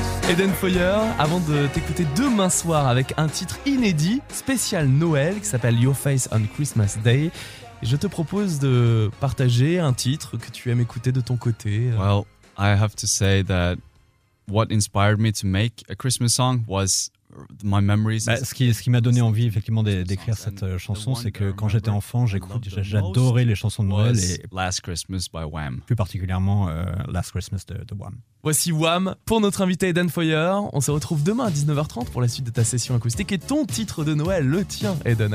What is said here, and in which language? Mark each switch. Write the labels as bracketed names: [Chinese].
[French] Eden Foyer, avant de t'écouter demain soir avec un titre inédit, spécial Noël, qui s'appelle Your Face on Christmas Day, je te propose de partager un titre que tu aimes écouter de ton côté. [English] Well, I have to say that what inspired me to make a Christmas song was my memories. [French] Bah, ce qui m'a donné envie effectivement d'écrire cette chanson, c'est que quand j'étais enfant, j'adorais les chansons de Noël et [English] Last Christmas by Wham. [French] Plus particulièrement Last Christmas de Wham. Voici Wham pour notre invité Eden Foyer. On se retrouve demain à 19h30 pour la suite de ta session acoustique et ton titre de Noël, le tien, Eden.